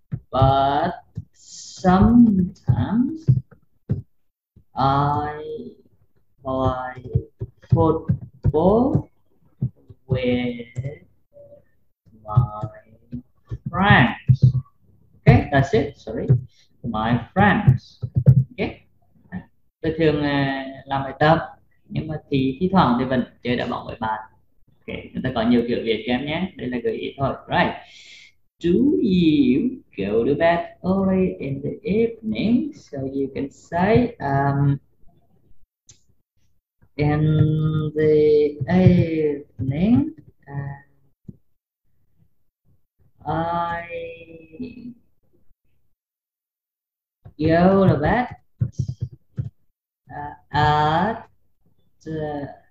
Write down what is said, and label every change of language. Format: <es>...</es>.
<en>But sometimes I play football with my friends. Okay, that's it. Sorry. My friends. Okay.</en> <vi>Tôi thường làm bài tập, nhưng mà thi thoảng thì vẫn chơi đá bóng với bạn. Ok, chúng ta có nhiều kiểu việc kém nhé. Đây là gợi ý thôi. Right.</vi> <en>Do you go to bed early in the evening? So you can say in the evening I go to bed at 9.</en>